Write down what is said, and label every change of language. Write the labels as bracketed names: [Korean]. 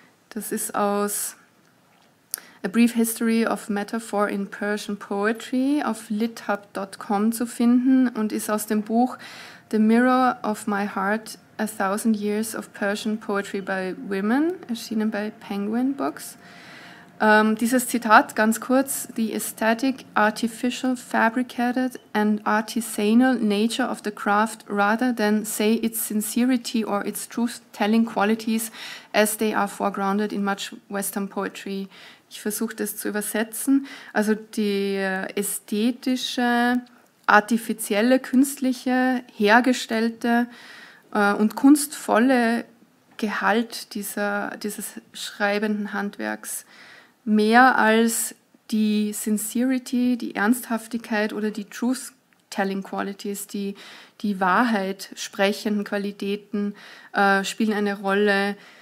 [German] Das ist aus A Brief History of Metaphor in Persian Poetry auf lithub.com zu finden und ist aus dem Buch The Mirror of My Heart, A Thousand Years of Persian Poetry by Women, erschienen bei Penguin Books. Dieses Zitat, ganz kurz, [English] the aesthetic, artificial, fabricated and artisanal nature of the craft rather than say its sincerity or its truth-telling qualities as they are foregrounded in much Western poetry. [German] Ich versuche das zu übersetzen. Also die ästhetische, artifizielle, künstliche, hergestellte und kunstvolle Gehalt dieses schreibenden Handwerks mehr als die Sincerity, die Ernsthaftigkeit oder die Truth-Telling-Qualities, die Wahrheit sprechenden Qualitäten spielen eine Rolle.